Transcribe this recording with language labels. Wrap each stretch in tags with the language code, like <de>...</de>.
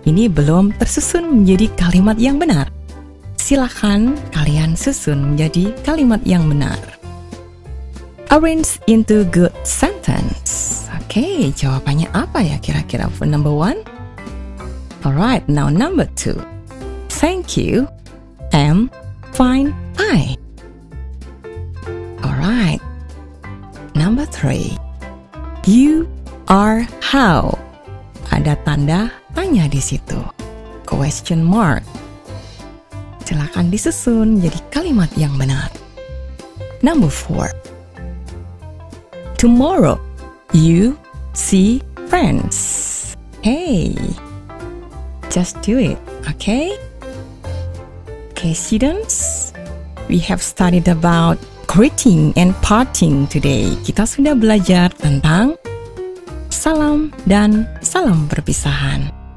<id>Ini belum tersusun menjadi kalimat yang benar. Silakan kalian susun menjadi kalimat yang benar.</id> <en>Arrange into good sentence. Okay,</en> <id>jawabannya apa ya kira-kira</id> <en>for number 1? Alright, now number 2. Thank you. I'm fine. I. Alright. Number 3. You are how?</en> <id>Ada tanda tanya di situ.</id> <en>Question mark.</en> <id>Silakan disusun jadi kalimat yang benar.</id> <en>Number 4. Tomorrow you see friends. Hey. Just do it, okay? Okay, students. We have studied about greeting and parting today.</en> <id>Kita sudah belajar tentang salam dan salam perpisahan.</id>